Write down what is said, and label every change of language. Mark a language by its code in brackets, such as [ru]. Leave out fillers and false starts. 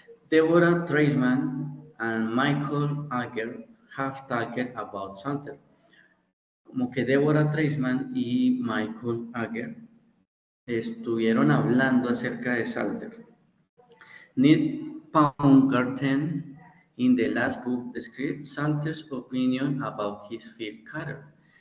[en] Deborah Treisman and Michael Ager have talked about Salter. [es] Como que Deborah Treisman y Michael Ager estuvieron hablando acerca de Salter. [en] Ned Paumgarten in the last book described Salter's opinion about his fifth character.